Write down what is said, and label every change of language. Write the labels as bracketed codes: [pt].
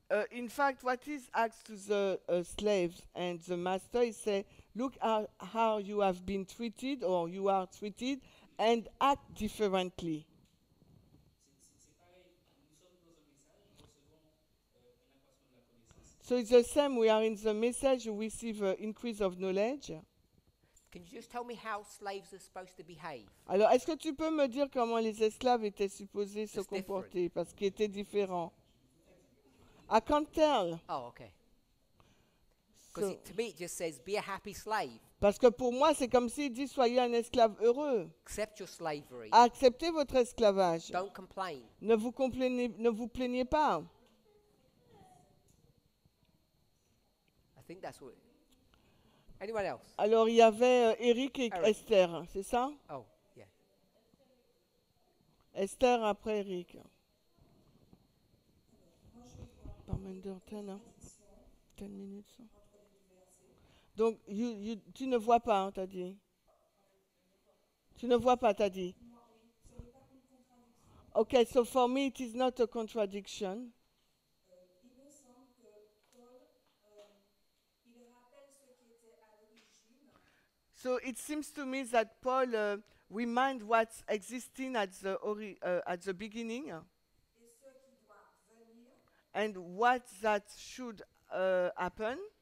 [en] In fact, what is asked to the slaves and the master, he say, look how you have been treated or you are treated and act differently. So it's the same, we are in the message, you receive an increase of knowledge. Can you just tell me how slaves are supposed to behave? [fr] Alors, est-ce que tu peux me dire comment les esclaves étaient supposés se comporter? Parce qu'ils étaient différents. [en] I can't tell. Oh, okay. Because so, to me it just says, be a happy slave. [fr] Parce que pour moi, c'est comme s'il dit, soyez un esclave heureux. [en] Accept your slavery. [fr] Acceptez votre esclavage. [en] Don't complain. [fr] Ne vous plaignez pas. [en] I think that's what... Anyone else? [fr] Alors, il y avait Eric et Eric. Esther, c'est ça? Oh, yeah. Esther après Eric. Parmender, 10 minutes. Donc, tu ne vois pas, hein, t'as dit. Tu ne vois pas, t'as dit. [en] Ok, so for me, it is not a contradiction. So it seems to me that Paul reminds what's existing at the beginning and what that should happen.